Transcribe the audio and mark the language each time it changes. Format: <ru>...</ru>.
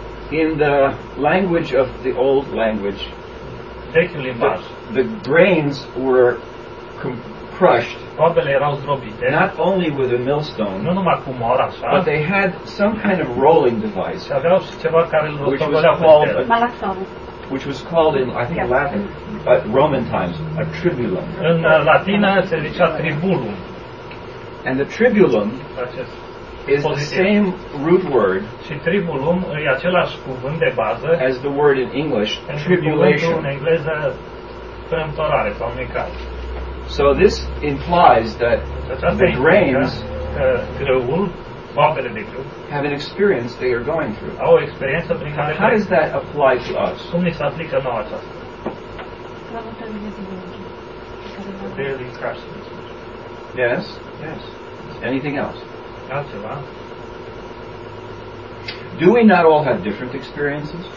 <en>In the language of the old language, the grains were crushed,</en> <ro>boabele erau zdrobite,</ro> <en>not only with a millstone,</en> <ro>nu numai cu moară, așa,</ro> <en>but they had some kind of rolling device,</en> <ro>aveau și ceva care</ro> <en>which was called in, I think, Latin, Roman times, a tribulum.</en> <ro>În latină se zicea tribulum.</ro> <en>And the tribulum is the same root word</en> <ro>și tribulum e același cuvânt de bază</ro> <en>as the word in English, tribulation.</en> <ro>În engleză, frământare sau micare.</ro> <en>So this implies that the grains have an experience they are going through.</en> <ro>Au o experiență prin care.</ro> <en>How does that apply to us?</en> <ro>Cum ni se aplică nouă aceasta?</ro> <en>Yes. Anything else? Do we not all have different experiences?</en>